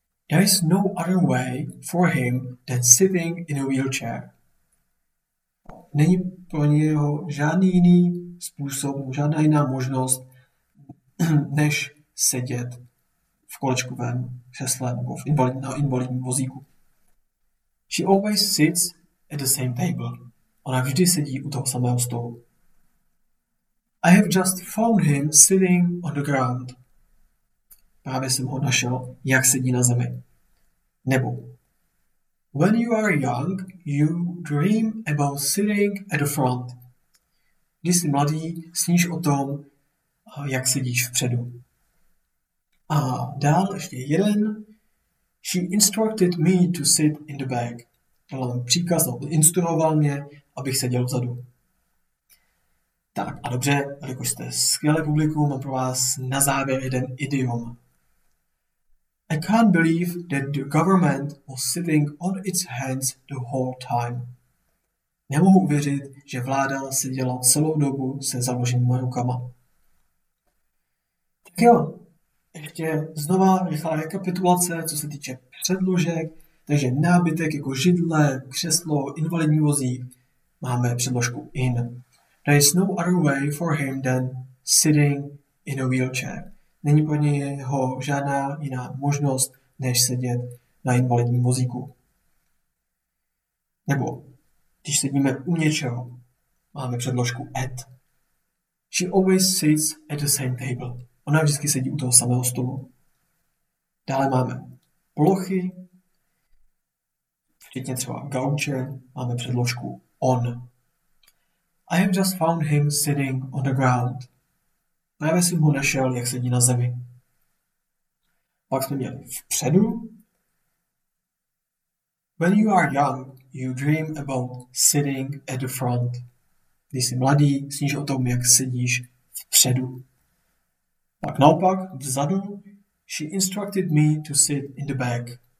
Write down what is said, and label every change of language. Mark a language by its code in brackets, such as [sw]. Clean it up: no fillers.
[en] There is no other way for him than sitting in a wheelchair. [cs] Není pro něho žádný jiný způsob, žádná jiná možnost, než sedět v kolečkovém křesle nebo na invalidním vozíku. [en] She always sits at the same table. [cs] Ona vždy sedí u toho samého stolu. [en] I have just found him sitting on the ground. [cs] Právě jsem ho našel, jak sedí na zemi. Nebo [en] when you are young, you dream about sitting at the front. [cs] Když jsi mladý, sníš o tom, jak sedíš vpředu. A dál ještě jeden. [en] She instructed me to sit in the back. [cs] Dala mi příkaz, instruoval mě, abych seděl vzadu. Tak a dobře, jakož jste skvělé publikum, mám pro vás na závěr jeden idiom. [en] I can't believe that the government was sitting on its hands the whole time. [cs] Nemohu uvěřit, že vláda seděla celou dobu se založenýma rukama. Tak jo, ještě znova rychlá rekapitulace, co se týče předložek. Takže nábytek jako židle, křeslo, invalidní vozík. Máme předložku in. [en] There is no other way for him than sitting in a wheelchair. [cs] Není pro něho žádná jiná možnost, než sedět na invalidním vozíku. Nebo když sedíme u něčeho, máme předložku at. [en] She always sits at the same table. [cs] Ona vždycky sedí u toho samého stolu. Dále máme plochy, včetně třeba gauče, máme předložku on. [en] I have just found him sitting on the ground. [cs] Právě jsem ho našel, jak sedí na zemi. Pak jsme měli vpředu. [en] When you are young, you dream about sitting at the front. [cs] Když jsi mladý, sníš o tom, jak sedíš vpředu. Pak naopak, vzadu. [en] She instructed me to sit in the back.